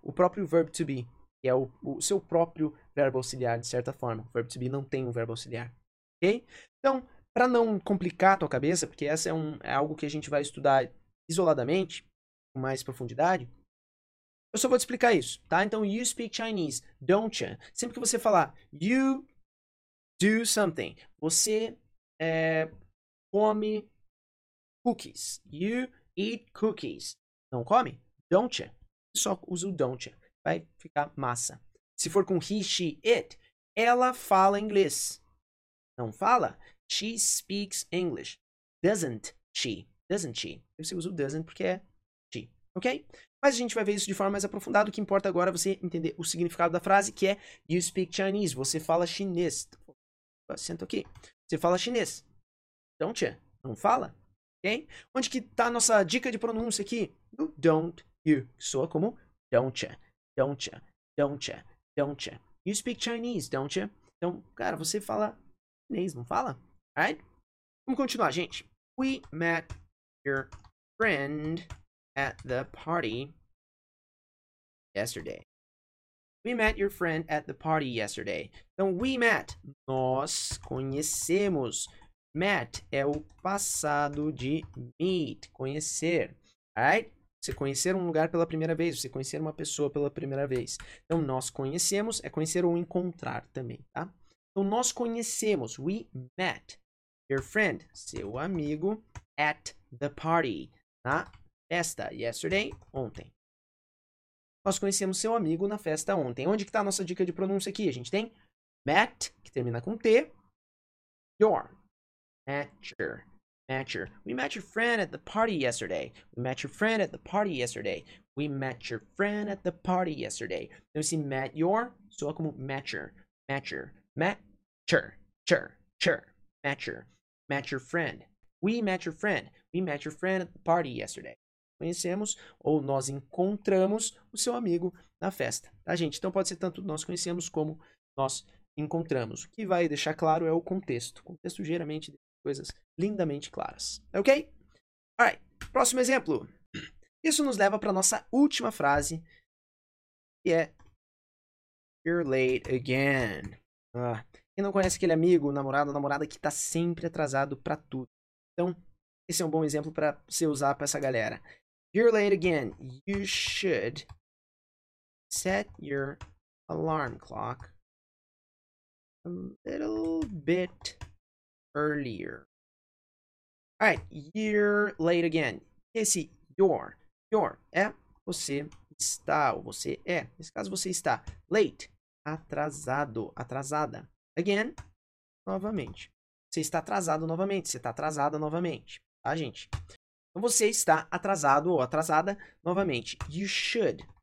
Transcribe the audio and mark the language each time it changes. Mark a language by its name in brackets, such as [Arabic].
[Portuguese] O próprio verb to be, que é o seu próprio verbo auxiliar, de certa forma. O verbo to be não tem um verbo auxiliar, ok? Então, para não complicar a tua cabeça, porque essa é algo que a gente vai estudar isoladamente, com mais profundidade, eu só vou te explicar isso, tá? [English] Então, you speak Chinese, don't you? [Portuguese] Sempre que você falar, [English] you do something, [Portuguese] você come cookies. [English] You eat cookies. [Portuguese] Não come? [English] Don't you? [Portuguese] Só usa o [English] don't you. [Portuguese] Vai ficar massa. Se for com he, she, it, ela fala inglês. Não fala? [English] She speaks English. Doesn't she? Doesn't she? [Portuguese] Você usa o doesn't porque é she. Ok? Mas a gente vai ver isso de forma mais aprofundada. O que importa agora é você entender o significado da frase, que é [English] you speak Chinese. [Portuguese] Você fala chinês. Senta aqui. Você fala chinês. [English] Don't you? [Portuguese] Não fala? Ok? Onde que está a nossa dica de pronúncia aqui? [English] No don't you. [Portuguese] Que soa como [English] don't you. Don't you. Don't you. Don't you. You speak Chinese, don't you? [Portuguese] Então, cara, você fala chinês, não fala? Alright? Vamos continuar, gente. [English] We met your friend at the party yesterday. We met your friend at the party yesterday. [Portuguese] Então, [English] we met. [Portuguese] Nós conhecemos. Met é o passado de meet, conhecer. Alright? Você conhecer um lugar pela primeira vez, você conhecer uma pessoa pela primeira vez. Então, nós conhecemos é conhecer ou encontrar também, tá? Então, nós conhecemos, [English] we met your friend, [Portuguese] seu amigo, [English] at the party, [Portuguese] na festa, yesterday, ontem. Nós conhecemos seu amigo na festa ontem. Onde que está a nossa dica de pronúncia aqui? A gente tem met, que termina com T, your, matcher. [English] Matcher. We met your friend at the party yesterday. We met your friend at the party yesterday. We met your friend at the party yesterday. [Portuguese] Então, esse met your soa como matcher. [English] Matcher. Matcher. Cher. Cher. Matcher. Met your friend. We met your friend. We met your friend at the party yesterday. [Portuguese] Conhecemos ou nós encontramos o seu amigo na festa, tá, gente? Então, pode ser tanto nós conhecemos como nós encontramos. O que vai deixar claro é o contexto. O contexto geralmente coisas lindamente claras, ok? Alright, próximo exemplo. Isso nos leva para a nossa última frase, que é [English] you're late again. [Portuguese] Ah, quem não conhece aquele amigo, namorado ou namorada que está sempre atrasado para tudo? Então, esse é um bom exemplo para você usar para essa galera. [English] You're late again. You should set your alarm clock a little bit earlier. Alright, you're late again. [Portuguese] Esse your. Your é você está ou você é. Nesse caso, você está late. Atrasado. Atrasada. Again. Novamente. Você está atrasado novamente. Você está atrasada novamente. Tá, gente? Então, você está atrasado ou atrasada novamente. [English] You should.